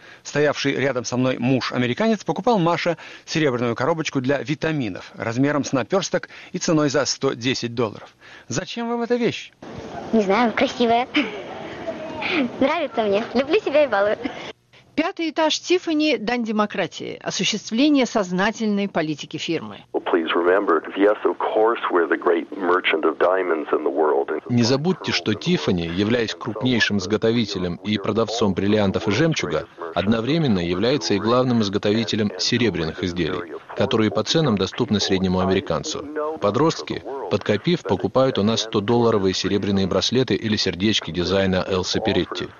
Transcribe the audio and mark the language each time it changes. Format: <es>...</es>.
<ru>Стоявший рядом со мной муж-американец покупал Маше серебряную коробочку для витаминов размером с наперсток и ценой за $110. Зачем вам эта вещь? Не знаю, красивая. Нравится мне. Люблю себя и балую. Пятый этаж Тиффани – дань демократии. Осуществление сознательной политики фирмы.</ru> <en>Please remember, yes, of course, we're the great merchant of diamonds in the world.</en> <ru>Не забудьте, что Тиффани, являясь крупнейшим изготовителем и продавцом бриллиантов и жемчуга, одновременно является и главным изготовителем серебряных изделий, которые по ценам доступны среднему американцу. Подростки, подкопив, покупают у нас $100-долларовые серебряные браслеты или сердечки дизайна Элси Перетти.</ru>